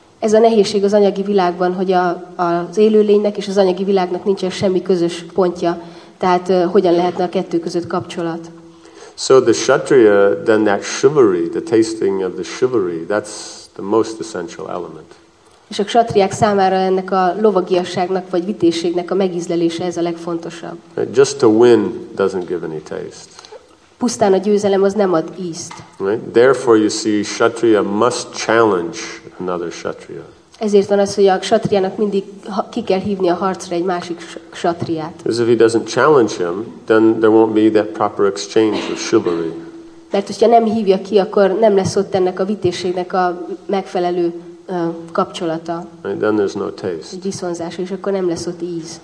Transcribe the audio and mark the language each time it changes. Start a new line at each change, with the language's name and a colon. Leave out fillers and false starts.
Hungarian: Ez a nehézség az anyagi világban, hogy az élőlénynek és az anyagi világnak nincsen semmi közös pontja. Tehát hogyan lehetne a kettő között kapcsolat?
English: So the kshatriya, then that chivalry, the tasting of the chivalry, that's the most essential element.
Hungarian: És a kshatriák számára ennek a lovagiasságnak vagy vitézségnek a megízlelése ez a legfontosabb.
English: Just to win doesn't give any taste.
Hungarian: Pusztán a győzelem az nem ad ízt.
English: Right? Therefore you see, kshatriya must challenge another kshatriya.
Hungarian: Ezért van az, hogy a kshatriának mindig ki kell hívni a harcra egy másik kshatriát.
English: Because if he doesn't challenge him, then there won't be that proper exchange of chivalry.
Hungarian: Mert hogyha nem hívja ki, akkor nem lesz ott ennek a vitézségnek a megfelelő kapcsolata.
English: And then there's no taste.
Hungarian: Egy viszonzás, és akkor nem lesz ott íz.